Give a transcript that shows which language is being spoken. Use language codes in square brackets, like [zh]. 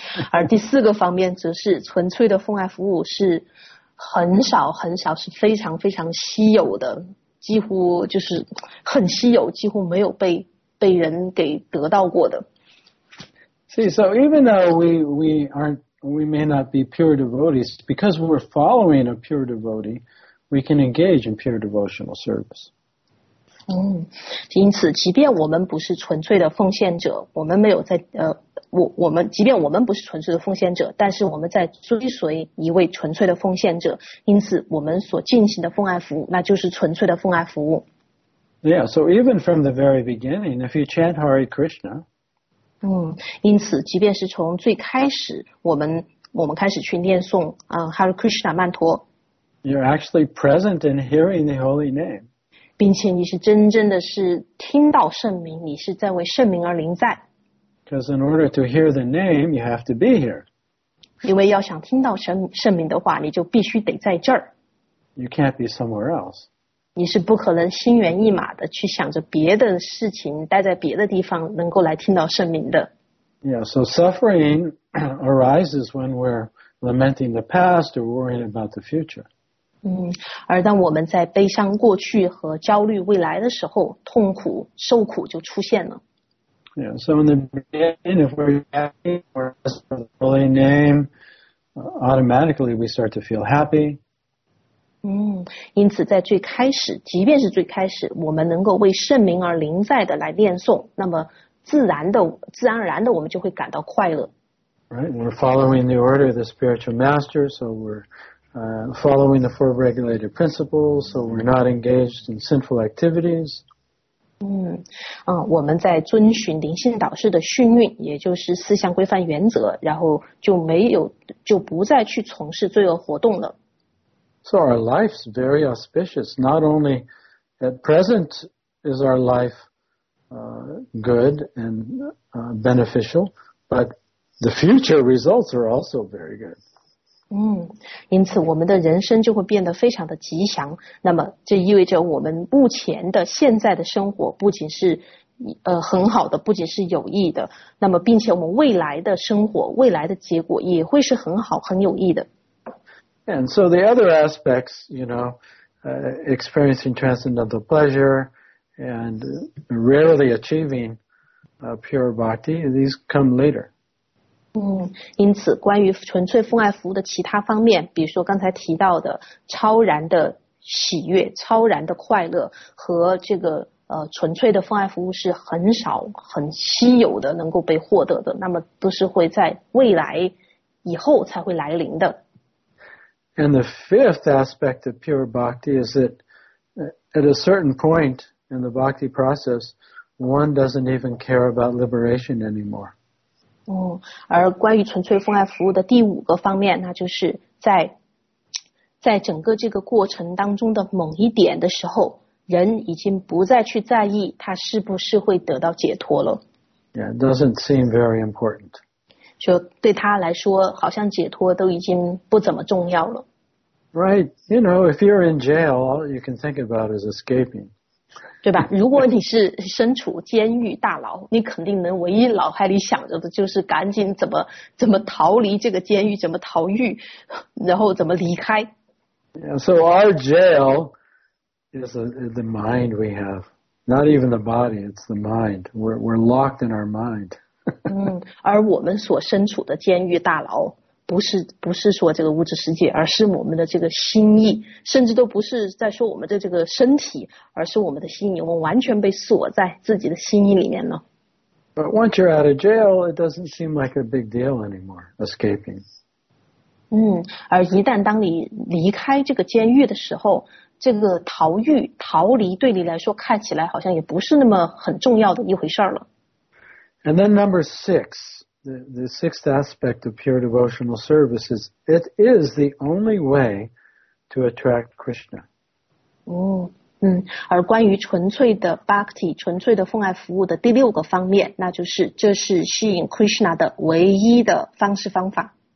[zh] 而第四个方面则是纯粹的奉爱服务是很少很少，是非常非常稀有的，几乎就是很稀有，几乎没有被人给得到过的。 [en] See, so even though we may not be pure devotees, because we're following a pure devotee, we can engage in pure devotional service. [zh] 因此即便我们不是纯粹的奉献者，我们没有在即便我们不是纯粹的奉献者，但是我们在追随一位纯粹的奉献者，因此我们所进行的奉爱服务那就是纯粹的奉爱服务。 [en] Yeah, so even from the very beginning, if you chant Hare Krishna, [zh] 因此即便是从最开始我们开始去念诵Hare Krishna 曼陀， [en] You're actually present in hearing the holy name. [zh] 并且你是真正的是听到圣名，你是在为圣名而临在。 [en] Because in order to hear the name, you have to be here. [zh] 因为要想听到圣名的话，你就必须得在这儿。 [en] You can't be somewhere else. [zh] 你是不可能心猿意马的去想着别的事情，待在别的地方能够来听到圣名的。 [en] Yeah, so suffering arises when we're lamenting the past or worrying about the future. [zh] 而当我们在悲伤过去和焦虑未来的时候，痛苦受苦就出现了。 [en] Yeah, so in the beginning, if we're asking for the holy name, automatically we start to feel happy. [zh] 因此在最开始，即便是最开始，我们能够为圣名而临在的来念诵，那么自然而然的我们就会感到快乐。 [en] Right, we're following the order of the spiritual master, so we're following the four regulated principles, so we're not engaged in sinful activities. [zh] 我们在遵循灵性导师的训谕，也就是四项规范原则，然后就不再去从事罪恶活动了。 [en] So our life's very auspicious. Not only at present is our life good and beneficial, but the future results are also very good. [zh] 因此我们的人生就会变得非常的吉祥，那么这意味着我们目前的现在的生活不仅是很好的，不仅是有益的，那么并且我们未来的生活，未来的结果也会是很好很有益的。 [en] And so the other aspects, you know, experiencing transcendental pleasure and rarely achieving pure bhakti, these come later. [zh] 因此关于纯粹奉爱服务的其他方面，比如说刚才提到的超然的喜悦、超然的快乐和这个纯粹的奉爱服务是很少很稀有的能够被获得的，那么都是会在未来以后才会来临的。 [en] And the fifth aspect of pure bhakti is that at a certain point in the bhakti process, one doesn't even care about liberation anymore. [zh] 而关于纯粹奉爱服务的第五个方面，那就是在整个这个过程当中的某一点的时候，人已经不再去在意他是不是会得到解脱了。 [en] Yeah, it doesn't seem very important. [zh] 就对他来说，好像解脱都已经不怎么重要了。 [en] Right, you know, if you're in jail, all you can think about is escaping. [zh] 对吧？如果你是身处监狱大牢，你肯定能唯一脑海里想着的就是赶紧怎么逃离这个监狱，怎么逃狱，然后怎么离开。 [en] Yeah, so our jail is the mind we have. Not even the body, it's the mind. We're locked in our mind. [zh] 嗯，而我们所身处的监狱大牢不是说这个物质世界，而是我们的这个心意，甚至都不是在说我们的这个身体，而是我们的心意，我们完全被锁在自己的心意里面了。 [en] But once you're out of jail, it doesn't seem like a big deal anymore, escaping. [zh] 嗯，而一旦当你离开这个监狱的时候，这个逃狱、逃离对你来说看起来好像也不是那么很重要的一回事儿了。 [en] And then number six. The sixth aspect of pure devotional service is it is the only way to attract Krishna. [zh] 嗯嗯，而关于纯粹的 bhakti, 纯粹的奉爱服务的第六个方面，那就是这是吸引 Krishna 的唯一的方式方法。